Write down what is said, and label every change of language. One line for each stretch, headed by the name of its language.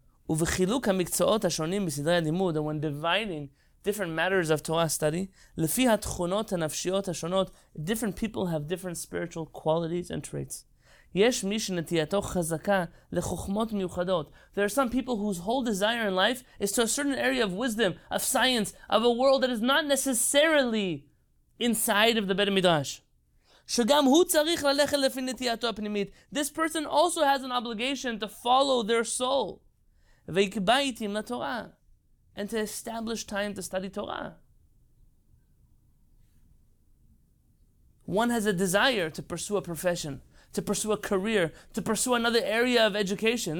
English: ובחילוק המקצועות השונים בסדרי הלימוד, when dividing different matters of Torah study, לפי התכונות הנפשיות השונות, different people have different spiritual qualities and traits.
Hebrew: יש מי שנטייתו חזקה לחוכמות מיוחדות.
English: There are some people whose whole desire in life is to a certain area of wisdom, of science, of a world that is not necessarily inside of the Beit Midrash.
Hebrew: שגם הוא צריך ללכת לפי נטייתו הפנימית.
English: This person also has an obligation to follow their soul. ויקבע עתים לתורה. And to establish time to study Torah. One has a desire to pursue a profession, to pursue a career, to pursue another area of education.